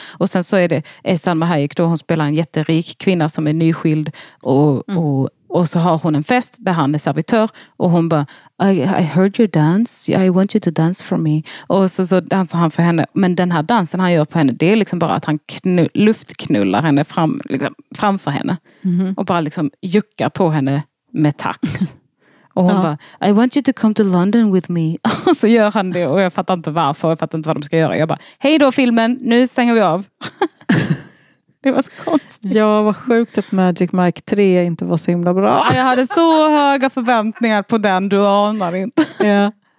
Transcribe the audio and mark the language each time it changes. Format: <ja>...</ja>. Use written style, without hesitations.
<sv>Och sen så är det Salma Hayek då, hon spelar en jätterik kvinna som är nyskild och så har hon en fest där han är servitör och hon bara,</sv> <en>I heard you dance, I want you to dance for me.</en> <sv>Och så dansar han för henne, men den här dansen han gör på henne, det är liksom bara att han luftknullar henne fram, liksom, framför henne. Mm-hmm. Och bara liksom juckar på henne med takt. Och hon bara,</sv> <en>I want you to come to London with me.</en> <sv>Och så gör han det och jag fattar inte varför, jag fattar inte vad de ska göra. Jag bara, hej då filmen, nu stänger vi av. Det var så konstigt. Ja, vad sjukt att Magic Mike 3 inte var så himla bra. Jag hade så höga förväntningar på den, du anar inte. Ja,</sv>